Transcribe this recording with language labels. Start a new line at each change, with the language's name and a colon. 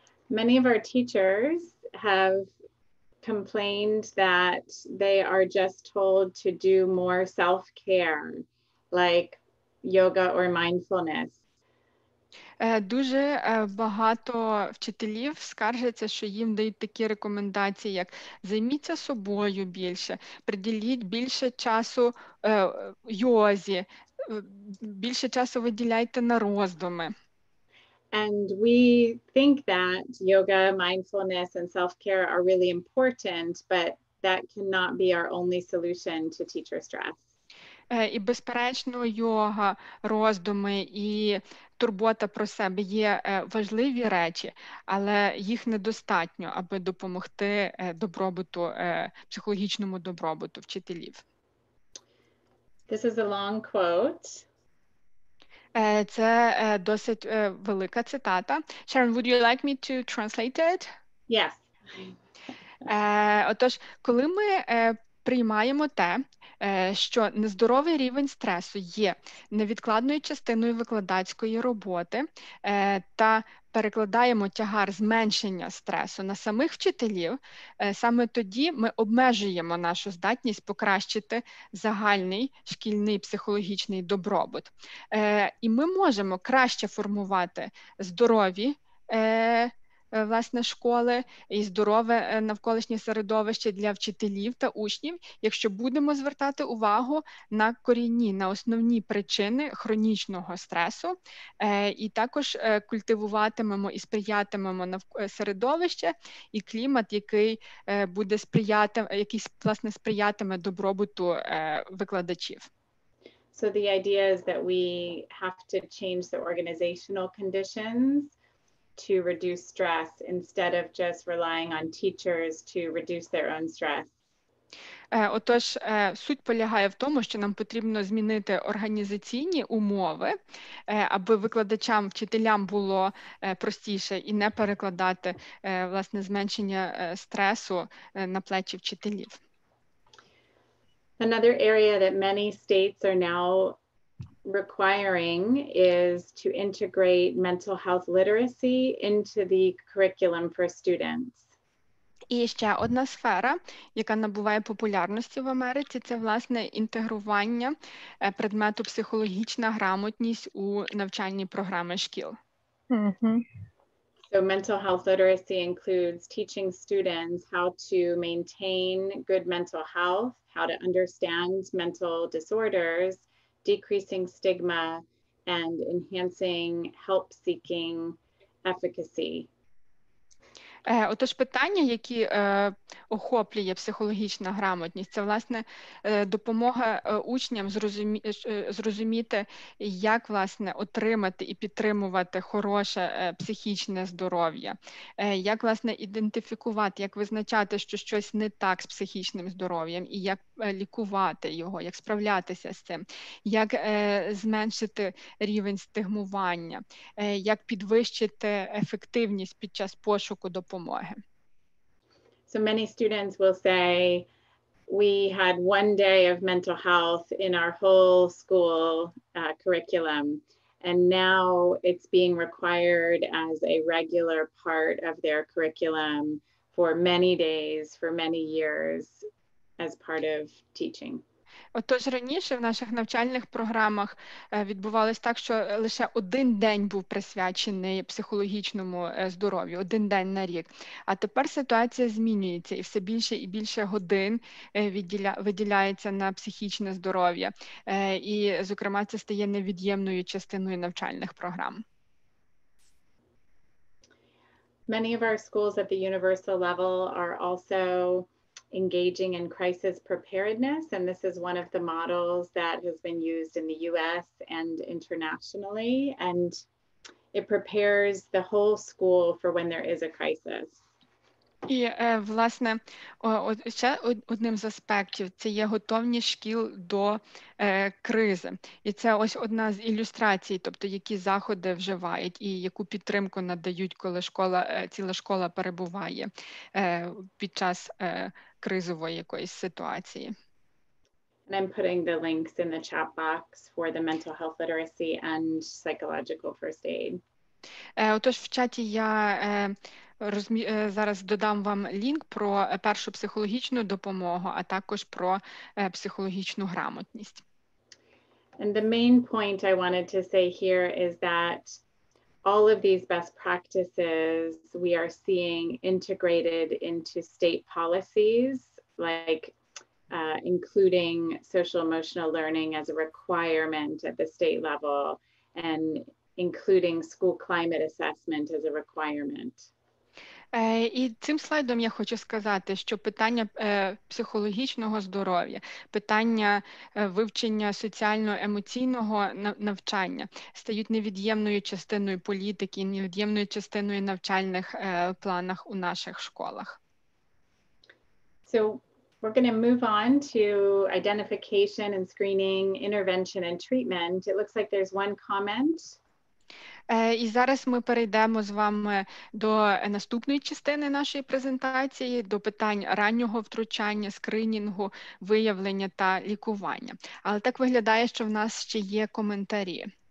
English: Many of our teachers have complained that they are just told to do more self-care, like yoga or mindfulness.
Ukrainian: Дуже багато вчителів скаржаться, що їм дають такі рекомендації, як займіться собою більше, приділіть більше часу йозі, більше часу виділяйте на роздуми.
English: And we think that yoga, mindfulness and self-care are really important, but that cannot be our only solution to teacher stress.
Ukrainian: І безперечно, йога, роздуми і турбота про себе є важливі речі, але їх недостатньо, аби допомогти добробуту, психологічному добробуту вчителів.
English: This is a long quote.
Ukrainian: Це досить велика цитата.
English: Sharon, would you like me to translate it? Yes.
Ukrainian: Отож, коли ми приймаємо те, що нездоровий рівень стресу є невідкладною частиною викладацької роботи, та перекладаємо тягар зменшення стресу на самих вчителів, саме тоді ми обмежуємо нашу здатність покращити загальний шкільний психологічний добробут. І ми можемо краще формувати здорові, власне, школи і здорове навколишнє середовище для вчителів та учнів, якщо будемо звертати увагу на корінні, на основні причини хронічного стресу, і також культивуватимемо і сприятимемо середовище і клімат, який буде сприяти, який, власне, сприятиме добробуту викладачів.
English: So the idea is that we have to change the organizational conditions to reduce stress instead of just relying on teachers to reduce their own stress.
Ukrainian: Отож, суть полягає в тому, що нам потрібно змінити організаційні умови, аби викладачам, вчителям було простіше і не перекладати, власне, зменшення стресу на плечі вчителів.
English: Another area that many states are now requiring is to integrate mental health literacy into the curriculum for students.
Ukrainian: І ще одна сфера, яка набуває популярності в Америці, це, власне, інтегрування предмету психологічна грамотність у навчальні програми шкіл.
English: So mental health literacy includes teaching students how to maintain good mental health, how to understand mental disorders, decreasing stigma and enhancing help seeking efficacy.
Ukrainian: Отож, питання, які охоплює психологічна грамотність, це, власне, допомога учням зрозуміти, як, власне, отримати і підтримувати хороше психічне здоров'я, як, власне, ідентифікувати, як визначати, що щось не так з психічним здоров'ям, і як лікувати його, як справлятися з цим, як зменшити рівень стигмування, як підвищити ефективність під час пошуку допомоги.
English: So many students will say, we had one day of mental health in our whole school curriculum, and now it's being required as a regular part of their curriculum for many days, for many years, as part of teaching.
Ukrainian: Отож, раніше в наших навчальних програмах відбувалось так, що лише один день був присвячений психологічному здоров'ю, один день на рік. А тепер ситуація змінюється, і все більше і більше годин виділяється на психічне здоров'я. І, зокрема, це стає невід'ємною частиною навчальних програм.
English: Many of our schools at the universal level are also engaging in crisis preparedness, and this is one of the models that has been used in the US and internationally, and it prepares the whole school for when there is a crisis.
Ukrainian: І, власне, ще одним з аспектів – це є готовність шкіл до кризи. І це ось одна з ілюстрацій, тобто які заходи вживають і яку підтримку надають, коли школа, ціла школа перебуває під час кризової якоїсь ситуації.
English: And I'm putting the links in the chat box for the mental health literacy and psychological first aid.
Ukrainian: Отож, в чаті я зараз додам вам лінк про першу психологічну допомогу, а також про психологічну грамотність.
English: And the main point I wanted to say here is that all of these best practices we are seeing integrated into state policies, like including social emotional learning as a requirement at the state level and including school climate assessment as a requirement.
Ukrainian: І цим слайдом я хочу сказати, що питання психологічного здоров'я, питання вивчення соціально-емоційного навчання стають невід'ємною частиною політики, невід'ємною частиною навчальних планах у наших школах.
English: So we're going to move on to identification and screening, intervention and treatment. It looks like there's one comment.
Ukrainian: І зараз ми перейдемо з вами до наступної частини нашої презентації, до питань раннього втручання, скринінгу, виявлення та лікування. Але так виглядає, що в нас ще є коментарі.